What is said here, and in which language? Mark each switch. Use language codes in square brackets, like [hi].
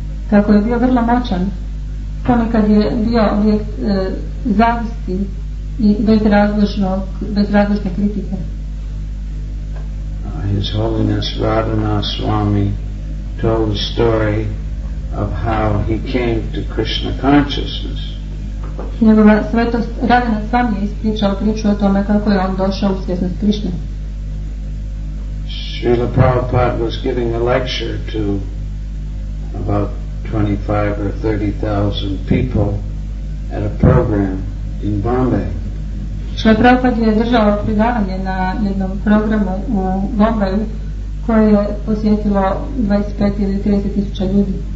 [hr] Kako je bio vrlo moćan, ponekad je bio objekt zavisti i bezrazložne kritike. [en] His Holiness Radhana Swami told the story of how he came to Krishna consciousness. [hr] Njegova svetost Radhana Swami je ispričao priču o tome kako je on došao u svjesnost Krišne. [en] Srila Prabhupada was giving a lecture to about 25 or 30,000 people at a program in Bombay. [hr] Srila Prabhupada je držao predavanje na jednom programu u Bombaju koje je posjetilo 25 ili 30 tisuća ljudi.